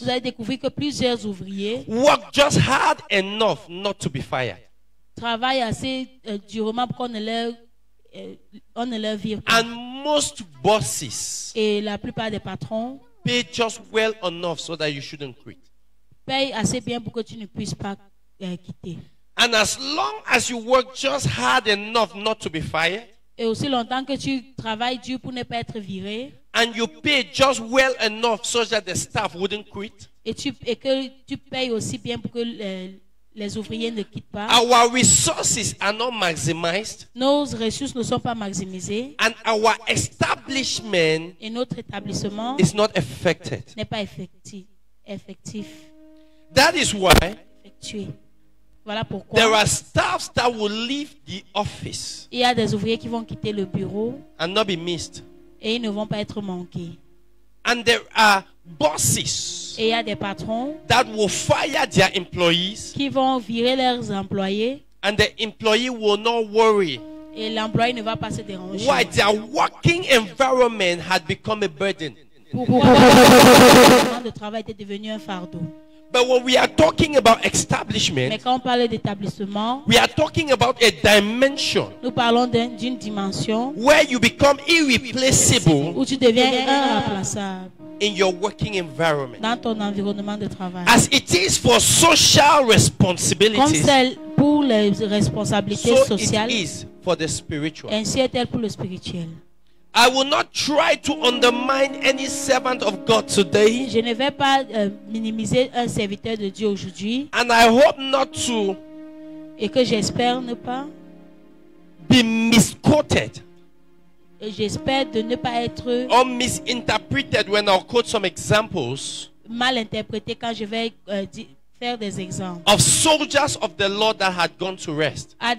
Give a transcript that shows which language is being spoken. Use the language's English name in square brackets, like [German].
[French] vous allez découvrir que plusieurs ouvriers, [English] work just hard enough not to be fired. [French] Travaillent assez durement pour qu'on ne leur [English] and most bosses [French] et la plupart des patrons [English] pay just well enough so that you shouldn't quit. [French] Paye assez bien pour que tu ne puisses pas quitter. [English] And as long as you work just hard enough not to be fired, [French] et aussi longtemps que tu travailles dur pour ne pas être viré, [English] and you pay just well enough so that the staff wouldn't quit, [French] et que tu payes aussi bien pour que les ouvriers ne quittent pas. [English] Our resources are not maximized. [French] Nos ressources ne sont pas maximisées. [English] And our establishment, [French] et notre établissement, [English] is not affected. [French] N'est pas effectif. [English] That is why. [French] Effectué. Voilà pourquoi. [English] There are staffs that will leave the office. [French] Il y a des ouvriers qui vont quitter le bureau. [English] And not be missed. [French] Et ils ne vont pas être manqués. [English] And there are bosses, [French] et il y a des patrons, [English] that will fire their employees, [French] qui vont virer leurs employés, [English] and the employee will not worry, [French] et l'employé ne va pas se déranger. [English] Why their working environment had become a burden? [French] Pourquoi leur environnement de travail était devenu un fardeau? [English] But when we are talking about establishment, [French] mais quand on parle d'établissement, [English] we are talking about a dimension, [French] nous parlons d'une dimension [English] where you become irreplaceable, [French] où tu deviens irremplaçable. [English] In your working environment. [French] Dans ton environnement de travail. [English] As it is for social responsibilities. [French] Comme celle pour les responsabilités [English] so [French] sociales. [English] So it is for the spiritual. [French] Ainsi est-elle pour le spirituel. [English] I will not try to undermine any servant of God today. [French] Je ne vais pas minimiser un serviteur de Dieu aujourd'hui. [English] And I hope not to. [French] Et que j'espère ne pas. [English] Be misquoted. [French] Et j'espère de ne pas être [English] or misinterpreted when I'll quote some examples [French] mal interprété quand je vais faire des exemples [English] of soldiers of the Lord that had gone to rest.